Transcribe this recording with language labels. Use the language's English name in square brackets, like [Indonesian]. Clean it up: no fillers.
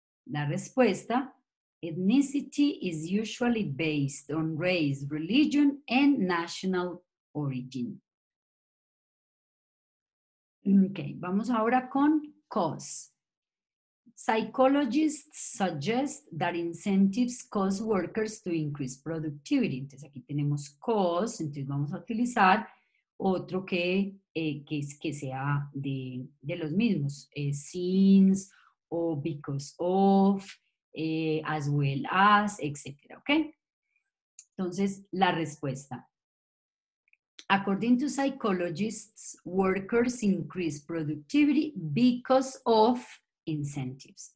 [Spanish] La respuesta, [English] ethnicity is usually based on race, religion, and national origin. [Spanish] Okay, vamos ahora con cause. [English] Psychologists suggest that incentives cause workers to increase productivity. [Spanish] Entonces aquí tenemos cause, entonces vamos a utilizar otro que sea de los mismos. [English] Since, o because of, as well as, etc. ¿Okay? [Spanish] Entonces la respuesta. [English] According to psychologists, workers increase productivity because of incentives.